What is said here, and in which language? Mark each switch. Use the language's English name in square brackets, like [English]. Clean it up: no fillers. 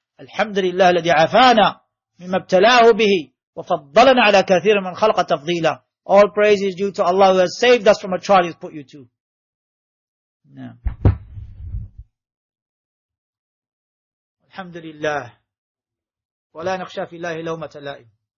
[Arabic] الحمد لله الذي عافانا مما ابتلاه به وفضلنا على كثير من خلق تفضيلا. [English] All praise is due to Allah who has saved us from a trial he's put you to. [Arabic] نعم. الحمد لله ولا نخشى في الله لومة لائم.